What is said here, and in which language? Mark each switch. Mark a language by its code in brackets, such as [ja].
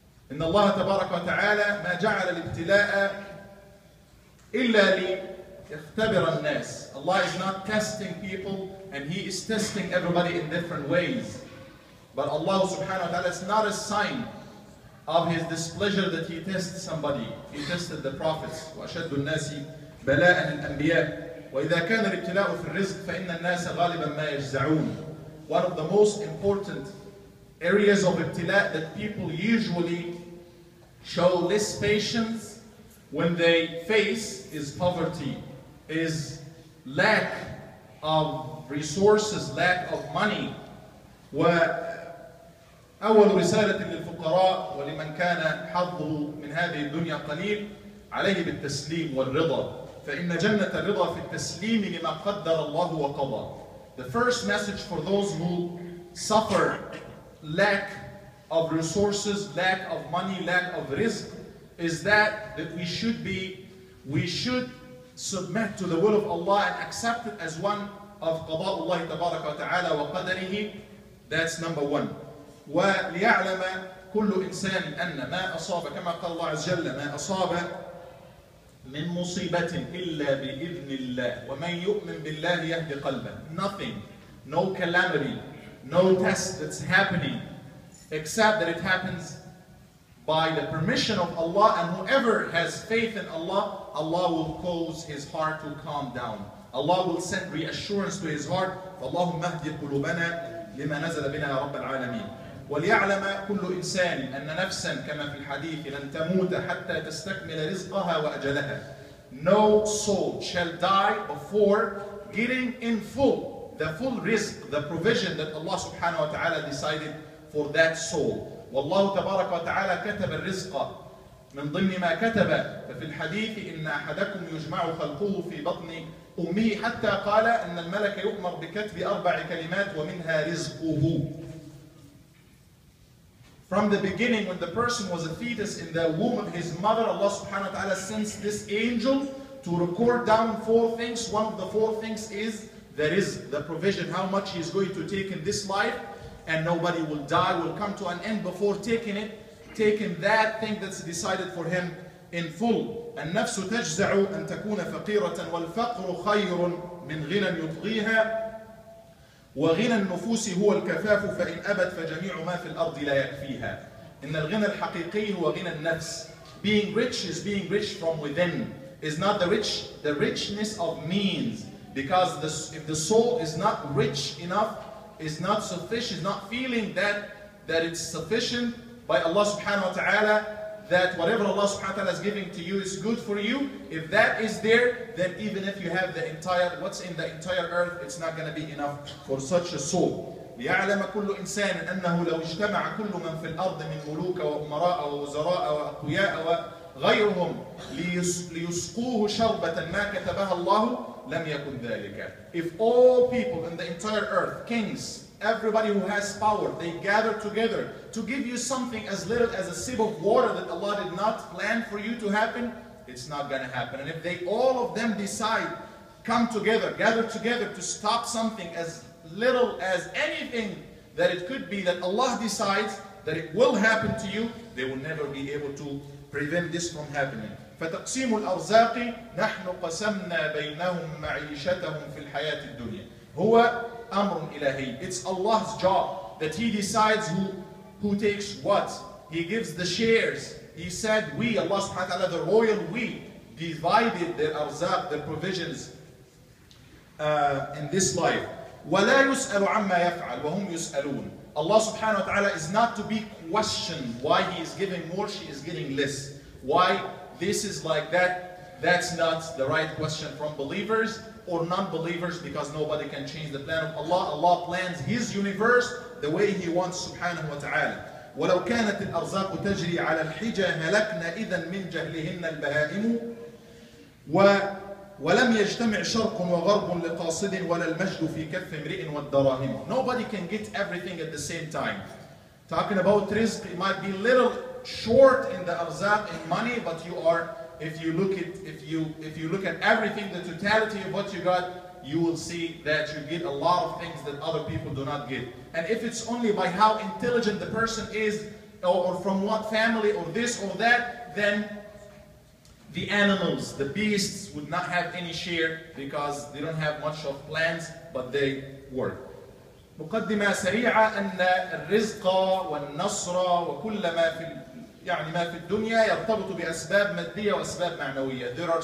[ar] Inna Allah tabaraka wa ta'ala ma ja'al al-ibtila'a إلا ليختبر الناس. [en] Allah is not testing people and He is testing everybody in different ways. But Allah subhanahu wa ta'ala is not a sign of His displeasure that He tests somebody. He tested the prophets. [ar] وأشد الناس بلاء الأنبياء. وإذا كان الابتلاء في الرزق فإن الناس غالبا ما يجزعون. [en] One of the most important areas of ابتلاء that people usually show less patience when they face is poverty, is lack of resources, lack of money. [ar] وأول رسالة للفقراء ولمن كان حظه من هذه الدنيا قليل عليه بالتسليم والرضا. فإن جنة الرضا في التسليم لما قدر الله وقضى. [en] The first message for those who suffer lack of resources, lack of money, lack of risk, is that we should submit to the will of Allah and accept it as one of [ar] قضاء الله تبارك وتعالى وقدره. [en] That's number one. [ar] وليعلم كل إنسان أن ما أصاب كما قال الله عز وجل ما أصاب من مصيبة إلا بإذن الله ومن يؤمن بالله يهدي قلبه. [en] Nothing, no calamity, no test that's happening except that it happens by the permission of Allah, and whoever has faith in Allah, Allah will cause his heart to calm down. Allah will send reassurance to his heart. [ar] فاللهم اهد قلوبنا لما نزل بنا يا رب العالمين. وليعلم كل إنسان أن نفسا كما في الحديث لن تموت حتى تستكمل رزقها وأجلها. [en] No soul shall die before getting in full the full risk, the provision that Allah subhanahu wa ta'ala decided for that soul. [ar] والله تبارك وتعالى كتب الرزق من ضمن ما كتب. ففي الحديث إن أحدكم يجمع خلقه في بطن أمه حتى قال إن الملك يؤمر بكتب أربع كلمات ومنها رزقه. [en] From the beginning when the person was a fetus in the womb of his mother, Allah سبحانه وتعالى sends this angel to record down four things. One of the four things is the رزق, the provision, how much he is going to take in this life. And nobody will die, will come to an end before taking it, taking that thing that's decided for him in full. [ar] النفس تجزع أن تكون فقيرة والفقر خير من غنى يطغيها وغنى النفوس هو الكفاف فإن أبت فجميع ما في الأرض لا يكفيها. إن الغنى الحقيقي هو غنى النفس. [en] Being rich is being rich from within. Is not the richness of means. Because if the soul is not rich enough, is not sufficient, not feeling that it's sufficient by Allah subhanahu wa ta'ala, that whatever Allah subhanahu wa ta'ala is giving to you is good for you, if that is there, then even if you have the entire, what's in the entire earth, it's not going to be enough for such a soul. [ar] ليعلم كل إنسان أنه لو اجتمع كل من في الأرض من ملوك وأمراء ووزراء وأقوياء وغيرهم ليسقوه شربة ما كتبها الله لم يكن ذلك. [en] If all people in the entire earth, kings, everybody who has power, they gather together to give you something as little as a sip of water that Allah did not plan for you to happen, it's not going to happen. And if they, all of them decide, come together, gather together to stop something as little as anything that it could be that Allah decides that it will happen to you, they will never be able to prevent this from happening. [ar] فتقسيم الأرزاق نحن قسمنا بينهم معيشتهم في الحياة الدنيا هو أمر إلهي. [en] It's Allah's job that He decides who takes what. He gives the shares. He said, "We, Allah subhanahu wa ta'ala, the royal we, divided the arzaq, the provisions in this life." [ar] ولا يسأل عما يفعل وهم يسألون. [en] Allah subhanahu wa ta'ala is not to be questioned why He is giving more, she is getting less. Why this is like that? That's not the right question from believers or non-believers, because nobody can change the plan of Allah. Allah plans His universe the way He wants, subhanahu wa ta'ala. [ar] وَلَوْ كَانَتِ الْأَرْزَاقُ تَجْرِي عَلَى الْحِجَى هَلَكْنَا إِذًا مِنْ جَهْلِهِنَّ الْبَهَائِمُ وَلَمْ يَجْتَمِعْ شَرْقٌ وَغَرْبٌ لِقَاصِدٍ وَلَا الْمَجْدُ فِي كَفِّ امْرِئٍ وَالدَّرَاهِمُ. [en] Nobody can get everything at the same time. Talking about rizq, it might be a little short in the arzaq in money, but you are, if you look at everything, the totality of what you got, you will see that you get a lot of things that other people do not get. And if it's only by how intelligent the person is, or from what family, or this or that, then the animals, the beasts, would not have any share because they don't have much of plans, but they work. [ar] مقدمة سريعة أن الرزق والنصر وكل ما في يعني ما في الدنيا يرتبط بأسباب مادية وأسباب معنوية.